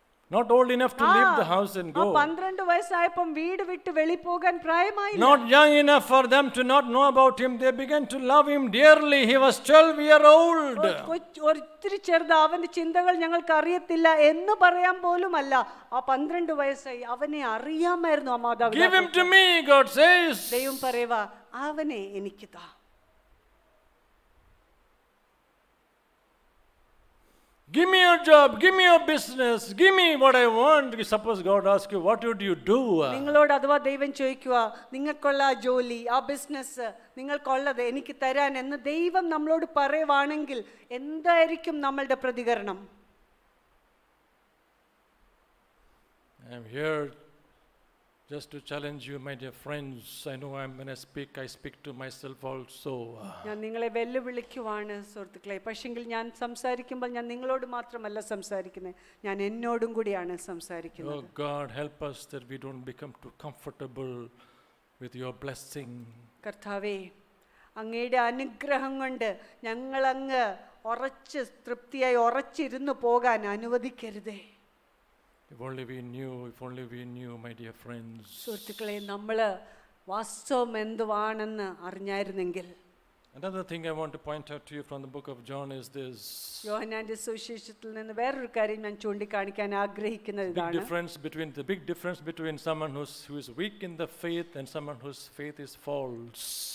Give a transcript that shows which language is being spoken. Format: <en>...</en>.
<en>Not old enough to leave the house and go.</en> <ml>ആ 12 വയസ്സായപ്പോൾ വീട് വിട്ട് വെളിപ്പോകാൻ പ്രായമായില്ല.</ml> <en>Not young enough for them to not know about him. They began to love him dearly. He was 12 year old.</en> <ml>ഒരിത്തിരി ചെറുത് അവന്റെ ചിന്തകൾ ഞങ്ങൾക്ക് അറിയത്തില്ല എന്ന് പറയാൻ പോലുമല്ല. ആ 12 വയസ്സായി അവനെ അറിയാമായിരുന്നു ആ മാതാവ്.</ml> <en>Give him to me, God says.</en> <ml>ദൈവം പറയുവാ, അവനെ എനിക്ക് താ.</ml> <en>Give me your job, give me your business, give me what I want. Suppose God asks you, what would you do?</en> <ml>നിങ്ങളോട് അഥവാ ദൈവം ചോദിക്കുവാ, നിങ്ങൾക്കുള്ള ആ ജോലി, ആ ബിസിനസ് നിങ്ങൾക്കുള്ളത് എനിക്ക് തരാൻ എന്ന് ദൈവം നമ്മളോട് പറയുവാണെങ്കിൽ എന്തായിരിക്കും നമ്മളുടെ പ്രതികരണം?</ml> <en>I'm here just to challenge you, my dear friends. I know I'm going to speak, I speak to myself also.</en> <ml>ഞാൻ നിങ്ങളെ വെല്ലുവിളിക്കുവാണ് സുഹൃത്തുക്കളെ. പക്ഷേങ്കിൽ ഞാൻ സംസാരിക്കുമ്പോൾ ഞാൻ നിങ്ങളോട് മാത്രമല്ല സംസാരിക്കുന്നത്, ഞാൻ എന്നോടും കൂടിയാണ് സംസാരിക്കുന്നത്.</ml> <en>Oh God, help us that we don't become too comfortable with your blessing.</en> <ml>കർത്താവേ, അങ്ങയുടെ അനുഗ്രഹം കൊണ്ട് ഞങ്ങൾ അങ്ങ് ഉറച്ച് തൃപ്തിയായി ഉറച്ചിരുന്നു പോകാൻ അനുവദിക്കരുതേ.</ml> <en>If only we knew, my dear friends.</en> <ml>സുഹൃത്തുക്കളെ, നമ്മള് വാസ്തവം എന്തുവാണെന്ന് അറിഞ്ഞായിരുന്നെങ്കിൽ.</ml> <en>Another thing I want to point out to you from the book of John is this.</en> <ml>യോഹന്നാന്റെ സുവിശേഷത്തിൽ നിന്ന് വേറൊരു കാര്യം ഞാൻ ചൂണ്ടിക്കാണിക്കാൻ ആഗ്രഹിക്കുന്നത് ഇതാണ്.</ml> <en>The big difference between someone who is weak in the faith and someone whose faith is false.</en>